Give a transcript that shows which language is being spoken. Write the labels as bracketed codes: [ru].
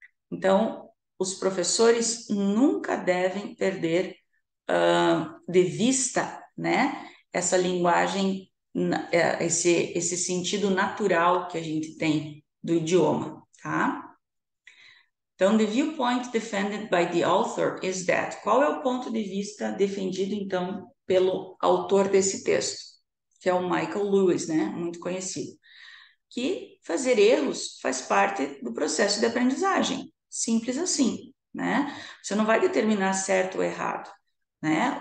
[pt] Então, os professores nunca devem perder de vista, né, essa linguagem, esse sentido natural que a gente tem do idioma, tá? [en] Então, the viewpoint defended by the author is that. [pt] Qual é o ponto de vista defendido, então, pelo autor desse texto, que é o Michael Lewis, né, muito conhecido? Que fazer erros faz parte do processo de aprendizagem. Simples assim, né? Você não vai determinar certo ou errado, né?